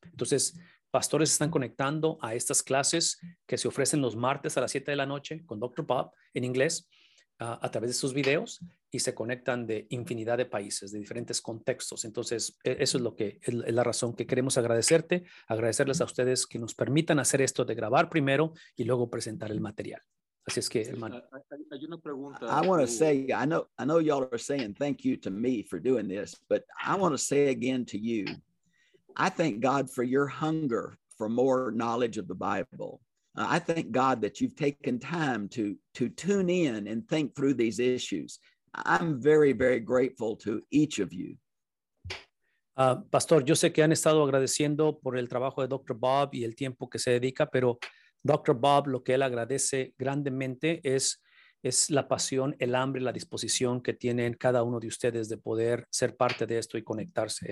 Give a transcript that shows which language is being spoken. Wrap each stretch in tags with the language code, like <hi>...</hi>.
<es>Entonces, pastores están conectando a estas clases que se ofrecen los martes a las 7 de la noche con Dr. Bob en inglés a través de sus videos, y se conectan de infinidad de países, de diferentes contextos. Entonces, eso es lo que es la razón que queremos agradecerte, agradecerles a ustedes que nos permitan hacer esto de grabar primero y luego presentar el material. Así es que, hermano.</es> <en>I want to say, I know y'all are saying thank you to me for doing this, but I want to say again to you, I thank God for your hunger for more knowledge of the Bible. I thank God that you've taken time to tune in and think through these issues. I'm very, very grateful to each of you.</en> <es>Pastor, yo sé que han estado agradeciendo por el trabajo de Dr. Bob y el tiempo que se dedica, pero Dr. Bob, lo que él agradece grandemente es la pasión, el hambre, la disposición que tienen cada uno de ustedes de poder ser parte de esto y conectarse.</es>